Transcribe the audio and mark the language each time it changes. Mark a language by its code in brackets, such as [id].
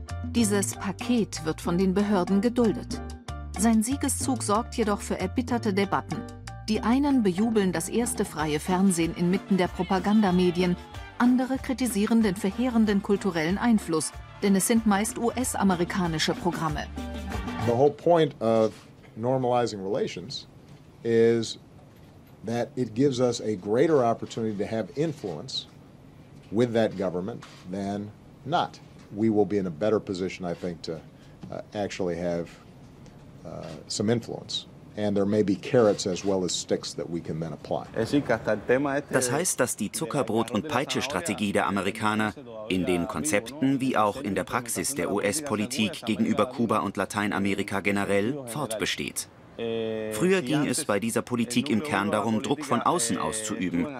[de] Dieses Paket wird von den Behörden geduldet. Sein Siegeszug sorgt jedoch für erbitterte Debatten. Die einen bejubeln das erste freie Fernsehen inmitten der Propagandamedien, andere kritisieren den verheerenden kulturellen Einfluss, denn es sind meist US-amerikanische Programme. [en] The whole point of normalizing relations is that it gives us a greater opportunity to have influence with that government than not. We will be in a better position, I think, to actually have some influence. And there may be carrots as well as sticks that we can then apply. [de] Das heißt, dass die Zuckerbrot- und Peitsche-Strategie der Amerikaner in den Konzepten wie auch in der Praxis der US-Politik gegenüber Kuba und Lateinamerika generell fortbesteht. Früher ging es bei dieser Politik im Kern darum, Druck von außen auszuüben.